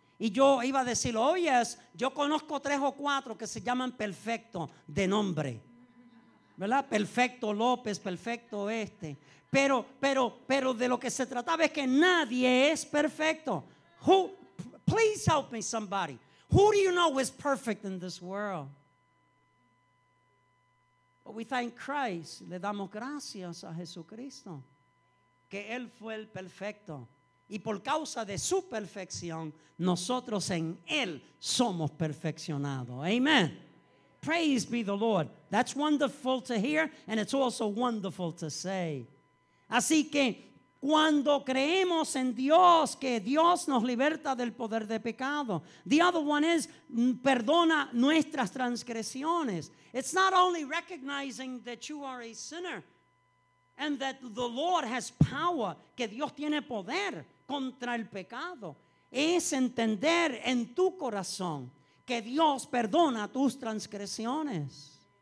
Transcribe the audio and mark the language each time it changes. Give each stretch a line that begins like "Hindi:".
Spanish: Y yo iba a decir,
English: oh yes,
Spanish: yo conozco tres o cuatro que se llaman perfecto de nombre, ¿verdad? Perfecto López, perfecto este. Pero de lo que se trataba es que nadie es perfecto.
English: Who, please help me somebody. Who do you know is perfect in this world? But we thank Christ.
Spanish: Le damos gracias a Jesucristo. Que Él fue el perfecto. Y por causa de su perfección, nosotros en Él somos perfeccionados.
English: Amen. Praise be the Lord. That's wonderful to hear, and it's also wonderful to say.
Spanish: Así que cuando creemos en Dios, que Dios nos liberta del poder de pecado.
English: The other one is,
Spanish: perdona nuestras transgresiones.
English: It's not only recognizing that you are a sinner, and that the Lord has power,
Spanish: que Dios tiene poder contra el pecado, es entender en tu corazón que Dios perdona tus transgresiones.